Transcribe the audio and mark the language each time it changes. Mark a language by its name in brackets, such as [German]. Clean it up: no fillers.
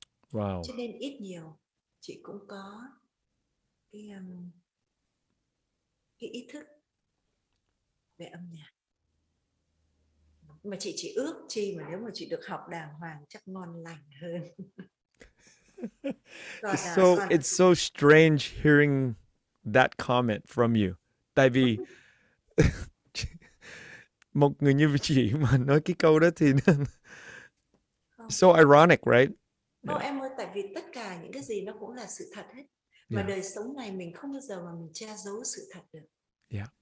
[English] Wow. [Vietnamese] Cho nên ít nhiều, chị cũng có cái ý thức về âm nhạc. Mà chị ước chi mà nếu mà chị được học đàng hoàng chắc ngon lành hơn. [English] So it's so strange hearing that comment from you. [Vietnamese] Tại vì một người như chị mà nói cái câu đó thì [English] so ironic, right? [Vietnamese] Không, em ơi, tại vì tất cả những cái gì nó cũng là sự thật hết. Mà đời sống này mình không bao giờ mà mình che giấu sự thật được.